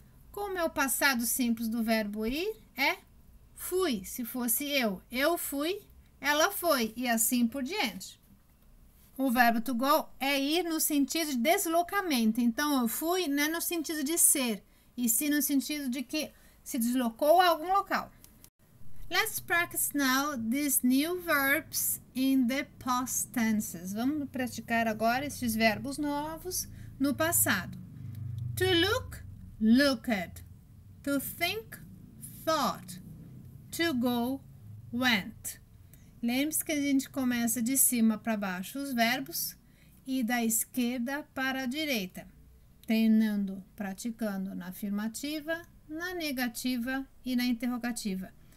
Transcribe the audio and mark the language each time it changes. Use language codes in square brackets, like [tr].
[pt] Como é o passado simples do verbo ir? É fui, se fosse eu. Eu fui, ela foi e assim por diante. O verbo to go é ir no sentido de deslocamento. Então, eu fui não é no sentido de ser, e sim no sentido de que se deslocou a algum local. [en] Let's practice now these new verbs in the past tenses. [pt] Vamos praticar agora esses verbos novos no passado. [en] To look, looked. To think, thought. To go, went. [pt] Lembre-se que a gente começa de cima para baixo os verbos e da esquerda para a direita, treinando, praticando na afirmativa, na negativa e na interrogativa.